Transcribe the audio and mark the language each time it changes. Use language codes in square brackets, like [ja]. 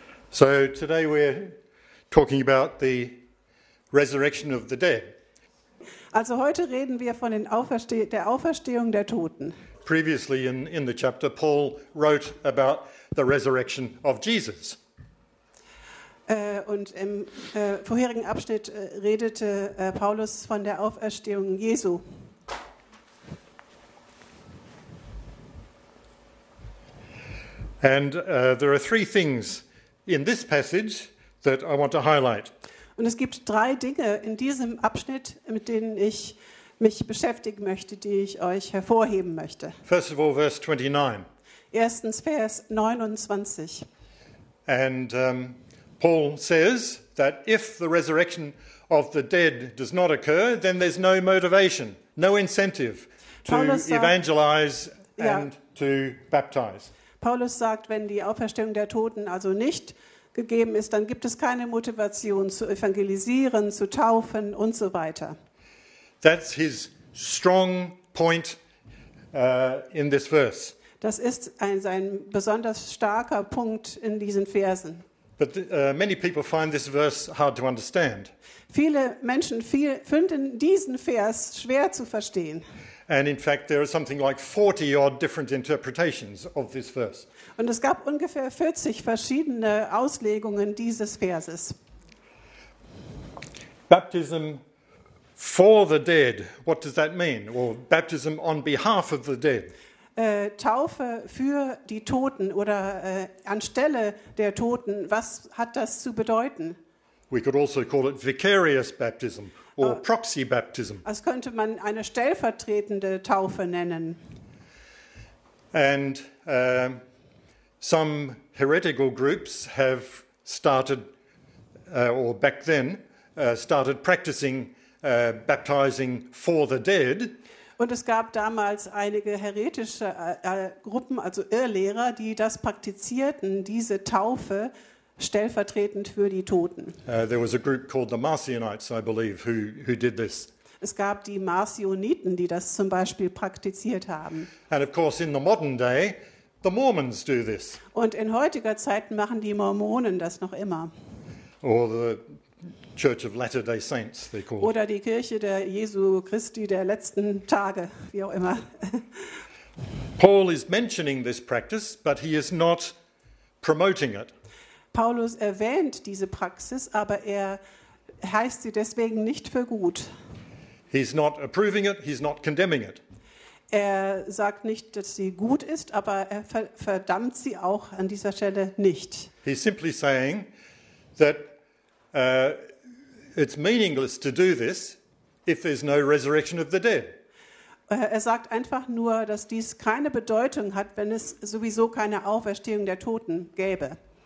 [en] So today we're talking about the resurrection of the dead. [de] Also heute reden wir von der Auferstehung der Toten. [en] Previously in the chapter, Paul wrote about the resurrection of Jesus. [de] Und im vorherigen Abschnitt redete Paulus von der Auferstehung Jesu. [en] And there are three things in this passage that I want to highlight. [de] Und es gibt drei Dinge in diesem Abschnitt, mit denen ich mich beschäftigen möchte, die ich euch hervorheben möchte. [en] First of all, verse 29. [de] Erstens Vers 29. [en] And Paul says that if the resurrection of the dead does not occur, then there's no motivation, no incentive to evangelize and to baptize. [de] Paulus sagt, wenn die Auferstehung der Toten also nicht gegeben ist, dann gibt es keine Motivation zu evangelisieren, zu taufen und so weiter. [en] That's his strong point in this verse. [de] Das ist sein besonders starker Punkt in diesen Versen. [en] But many people find this verse hard to understand. [de] Viele Menschen finden diesen Vers schwer zu verstehen. [en] And in fact, there are something like 40 odd different interpretations of this verse. [de] Und es gab ungefähr 40 verschiedene Auslegungen dieses Verses. [en] Baptism for the dead. What does that mean? Or baptism on behalf of the dead. [de] Taufe für die Toten oder anstelle der Toten. Was hat das zu bedeuten? [en] We could also call it vicarious baptism. Or proxy baptism. [de] Das könnte man eine stellvertretende Taufe nennen. [en] And some heretical groups have started, or back then, started practicing baptizing for the dead. [de] Und es gab damals einige heretische Gruppen, also Irrlehrer, die das praktizierten, diese Taufe. Stellvertretend für die Toten. [en] There was a group called the Marcionites, I believe, who did this. [de] Es gab die Marcioniten, die das zum Beispiel praktiziert haben. [en] And of course, in the modern day, the Mormons do this. [de] Und in heutiger Zeit machen die Mormonen das noch immer. [en] Or the Church of Latter-day Saints, they call it. [de] Oder die Kirche der Jesu Christi der letzten Tage, wie auch immer. [en] Paul is mentioning this practice, but he is not promoting it. [de] Paulus erwähnt diese Praxis, aber er heißt sie deswegen nicht für gut. [en] He's not approving it, he's not condemning it. [de] Er sagt nicht, dass sie gut ist, aber er verdammt sie auch an dieser Stelle nicht. [en] He's simply saying that it's meaningless to do this if there's no resurrection of the dead. [de] Er sagt einfach nur, dass dies keine Bedeutung hat, wenn es sowieso keine Auferstehung der Toten gäbe.